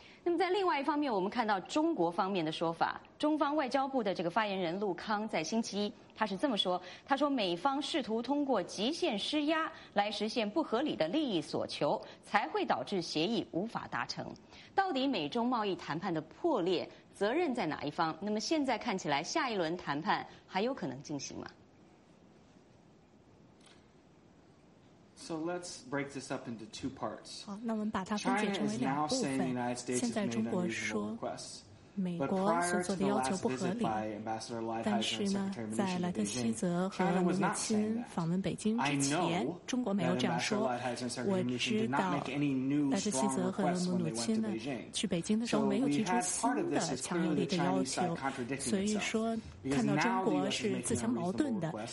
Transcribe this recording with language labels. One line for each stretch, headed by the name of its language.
Chinese: 那么在另外一方面，我们看到中国方面的说法，中方外交部的这个发言人陆康在星期一他是这么说，他说美方试图通过极限施压来实现不合理的利益索求，才会导致协议无法达成。到底美中贸易谈判的破裂责任在哪一方？那么现在看起来下一轮谈判还有可能进行吗？
English: So let's break this up into two parts.
Chinese: 好，那我们把它分解成为两部分。现在中国说美国所做的要求不合理，但是呢，在莱特希泽和姆努钦访问北京之前，中国没有这样说。我知道莱特希泽和姆努钦呢去北京的时候没有提出新的强有力的要求，所以说看到中国是自相矛盾的。